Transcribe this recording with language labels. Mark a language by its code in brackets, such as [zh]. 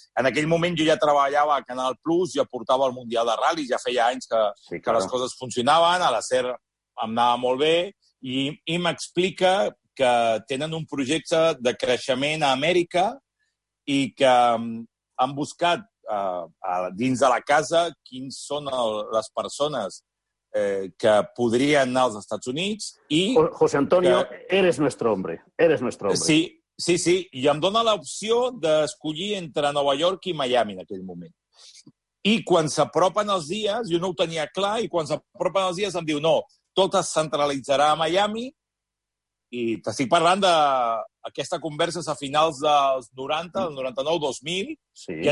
[ca] En aquell moment jo ja treballava a Canal Plus, ja portava el Mundial de Ral·lis, ja feia anys que les coses funcionaven, a la SER em anava molt bé, i m'explica que tenen un projecte de creixement a Amèrica i que han buscat dins de la casa quins són les persones que podria anar als Estats Units i... [es] José Antonio, eres nuestro hombre. Eres nuestro hombre. Sí. [ca] I em dona l'opció d'escollir entre Nova York i Miami en aquell moment. I quan s'apropen els dies, jo no ho tenia clar, i quan s'apropen els dies em diu no, tot es centralitzarà a Miami, i t'estic parlant d'aquesta conversa a finals dels 90, el 99-2000, sí.